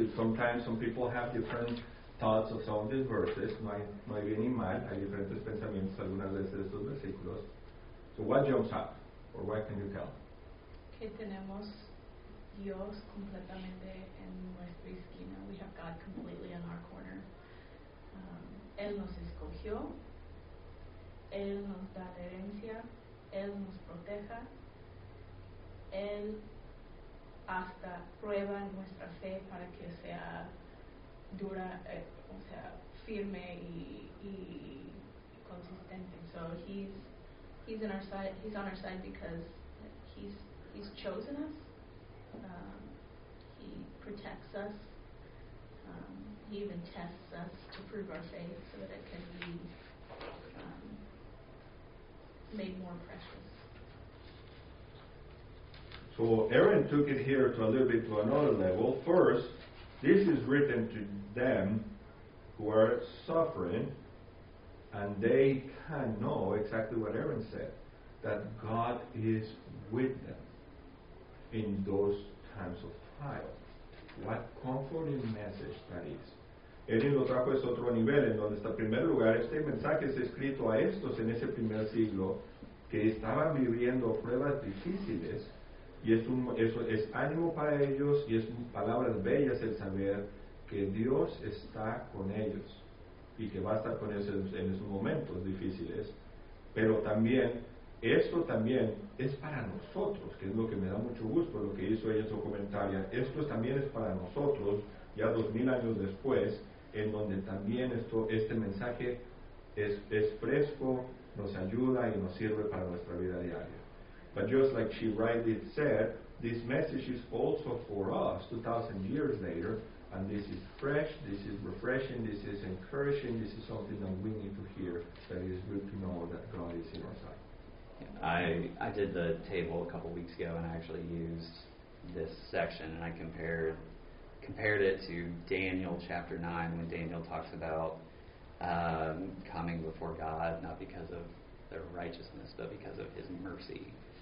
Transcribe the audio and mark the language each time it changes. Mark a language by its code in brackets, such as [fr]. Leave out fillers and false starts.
[en] Sometimes some people have different thoughts of some of these verses. [es] No hay bien ni mal. Hay diferentes pensamientos algunas veces de estos versículos. [en] So what jumps up? Or what can you tell? [es] Que tenemos Dios completamente en nuestra esquina. [en] We have God completely in our corner. [es] Él nos escogió. Él nos da herencia. Él nos proteja. Él hasta prueba nuestra fe para que sea dura, o sea, firme y consistente. [en] So he's in our side. He's on our side because he's chosen us. He protects us. He even tests us to prove our faith so that it can be made more precious. So Aaron took it here to a little bit to another level. First, this is written to them who are suffering, and they can know exactly what Aaron said, that God is with them in those times of trial. What comforting message that is. [es] Aaron lo trajo a otro nivel, en donde está en primer lugar. Este mensaje es escrito a estos en ese primer siglo que estaban viviendo pruebas difíciles. Y es ánimo para ellos y es palabras bellas el saber que Dios está con ellos y que va a estar con ellos en esos momentos difíciles. Pero también, esto también es para nosotros, que es lo que me da mucho gusto lo que hizo ella en su comentario. Esto también es para nosotros, ya 2000 años después, en donde también este mensaje es fresco, nos ayuda y nos sirve para nuestra vida diaria. [en] But just like she rightly said, this message is also for us 2,000 years later, and this is fresh, this is refreshing, this is encouraging, this is something that we need to hear, that it is good to know that God is in our side. I did the table a couple weeks ago, and I actually used this section, and I compared it to Daniel chapter 9, when Daniel talks about coming before God, not because of their righteousness, but because of His mercy.